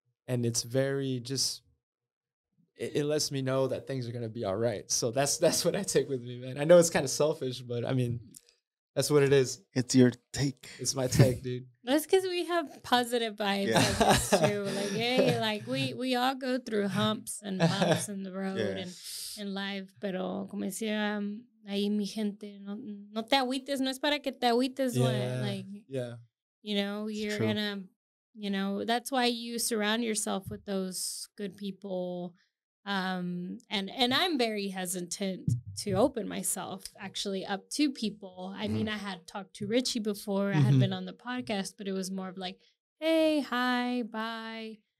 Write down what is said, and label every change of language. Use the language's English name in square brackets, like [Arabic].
[English] And it's very just, it lets me know that things are going to be all right. So that's what I take with me, man. I know it's kind of selfish, but I mean, that's what it is. It's your take. It's my take, dude. That's because we have positive vibes. Yeah. Too. Like, hey, like we all go through humps and bumps in the road, yeah. And in life. [Spanish] Pero como decía ahí mi gente, no te agüites, no es para que te agüites. [English] Like, yeah. You know, you're gonna, you know, that's why you surround yourself with those good people. And I'm very hesitant to open myself actually up to people. I mean, I had talked to Richie before. Mm-hmm. I had been on the podcast, but it was more of like, hey, hi, bye.